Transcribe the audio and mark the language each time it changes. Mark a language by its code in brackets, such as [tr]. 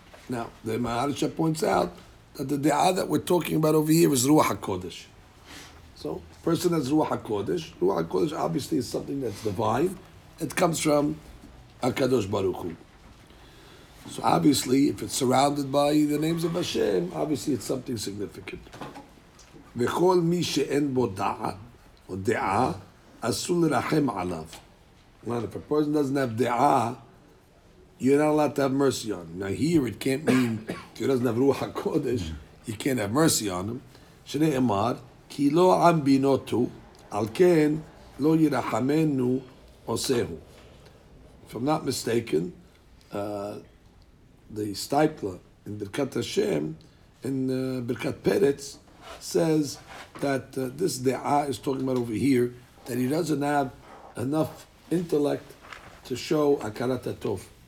[en] Now, the Maharsha points out that the Da'a that we're talking about over here is Ruach HaKodesh. So person has Ruach HaKodesh. Ruach HaKodesh obviously is something that's divine. It comes from HaKadosh Baruch Hu. So obviously, if it's surrounded by the names of Hashem, obviously it's something significant. [he] וכול מי שאין בו דעת או דעה אסור לרחם עליו. [en] Well, if a person doesn't have דעה, you're not allowed to have mercy on him. Now here it can't mean if he doesn't have רוח הקודש, you can't have mercy on him. [he] שנאמר, כי לא עם בינותו, על כן לא ירחמנו עושהו. [en] If I'm not mistaken, the stipler in ברכת השם, in ברכת פרץ, says that this de'a is talking about over here, that he doesn't have enough intellect to show akarat hatov.